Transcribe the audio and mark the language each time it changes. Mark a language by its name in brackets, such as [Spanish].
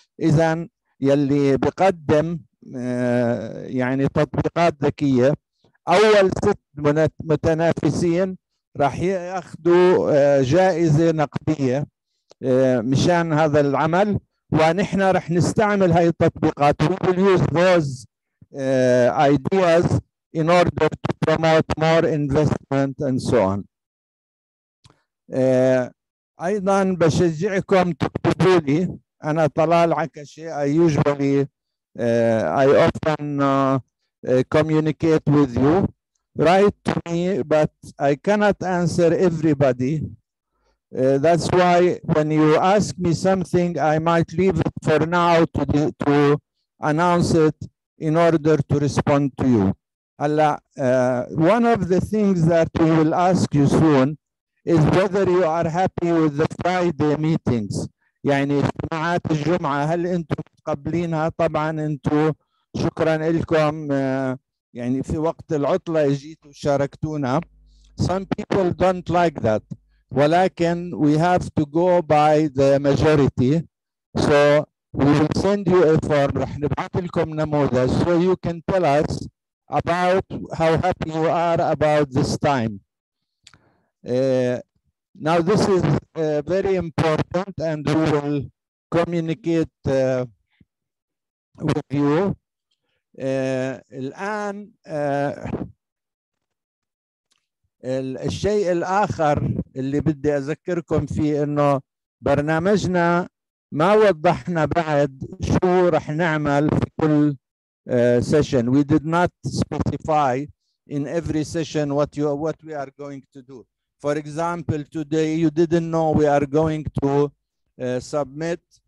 [Arabic] إذن يلي بقدم يعني تطبيقات ذكية, أول 6 متنافسين راح يأخذوا جائزة نقدية مشان هذا العمل, ونحن راح نستعمل هاي التطبيقات. [English] We will use those ideas in order to promote more investment and so on. [Arabic] أيضا بشجعكم تكتبوا لي. [English] أنا طلال عكشي, I usually I often communicate with you. Write to me, but I cannot answer everybody. That's why when you ask me something, I might leave it for now to announce it in order to respond to you. Allah, one of the things that we will ask you soon is whether you are happy with the Friday meetings. [Arabic] يعني اجتماعات الجمعة هل أنتم قبلينها؟ طبعا أنتم شكرا لكم. يعني في وقت العطلة جيتوا شاركتونا. [English] Some people don't like that. ولكن we have to go by the majority. So we will send you a form. [Arabic] رح نبعث لكم نموذج. [English] So you can tell us about how happy you are about this time. Now this is very important, and we will communicate with you. [Arabic] الآن الشيء الآخر اللي بدي أذكركم فيه إنه برنامجنا ما وضحنا بعد شو رح نعمل في كل session. [English] We did not specify in every session what we are going to do. For example, today you didn't know we are going to submit.